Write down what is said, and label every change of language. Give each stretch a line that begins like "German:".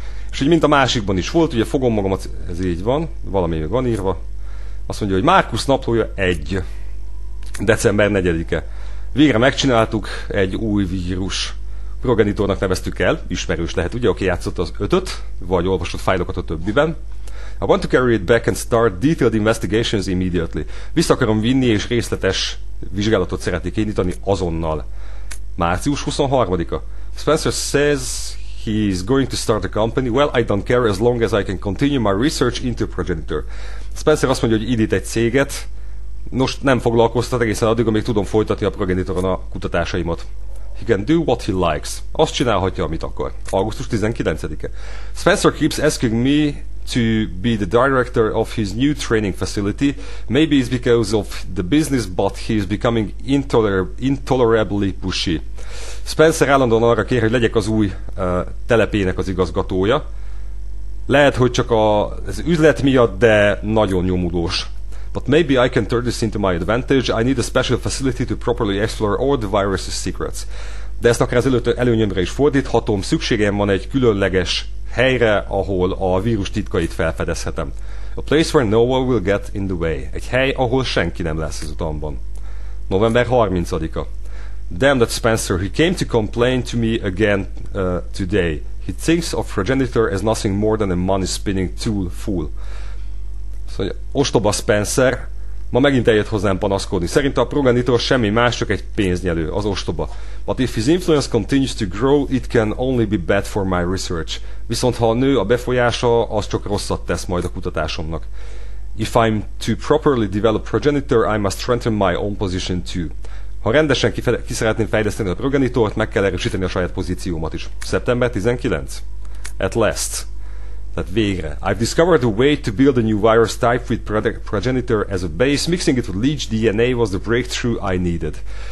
Hungarian: És hogy mint a másikban is volt, ugye fogom magamat, ez így van, valami még van írva. Azt mondja, hogy Markus naplója 1. December 4-e. Végre megcsináltuk, egy új vírus. Progenitornak neveztük el, ismerős lehet, ugye, aki játszott az 5-öt, vagy olvasott fájlokat a többiben.
English: I want to carry it back and start detailed investigations immediately.
Hungarian: Vissza akarom vinni, és részletes vizsgálatot szeretnék indítani azonnal. Március 23-a.
English: Spencer says he is going to start a company. Well, I don't care as long as I can continue my research into progenitor.
Hungarian: Spencer azt mondja, hogy indít egy céget. Nos, nem foglalkoztat egészen addig, amíg tudom folytatni a progenitoron a kutatásaimat.
English: He can do what he likes. Azt csinálhatja, amit akar.
Hungarian: Augusztus 19-e.
English: Spencer keeps asking me to be the director of his new training facility. Maybe it's because of the business, but he is becoming intolerably pushy.
Hungarian: Spencer állandóan arra kér, hogy legyek az új telepének az igazgatója. Lehet, hogy csak az üzlet miatt, de nagyon nyomulós.
English: But maybe I can turn this into my advantage. I need a special facility to properly explore all the virus's secrets.
Hungarian: De ezt akár az előnyömre is fordíthatom. Szükségem van egy különleges helyre, ahol a vírus titkait felfedezhetem.
English: A place where no one will get in the way.
Hungarian: Egy hely, ahol senki nem lesz az utamban. November 30-a.
English: Damn that Spencer, he came to complain to me again today. He thinks of progenitor as nothing more than a money-spinning tool fool.
Hungarian: Szóval, ostoba Spencer, ma megint eljött hozzám panaszkodni. Szerinte a progenitor semmi más, csak egy pénznyelő, az ostoba.
English: But if his influence continues to grow, it can only be bad for my research.
Hungarian: Viszont ha nő a befolyása, az csak rosszat tesz majd a kutatásomnak.
English: If I'm to properly develop progenitor, I must strengthen my own position too.
Hungarian: Ha rendesen ki szeretném fejleszteni a progenitort, meg kell erősíteni a saját pozíciómat is.
English: September 19. At last. Tehát végre. I've discovered a way to build a new virus type with progenitor as a base. Mixing it with leech DNA was the breakthrough I needed.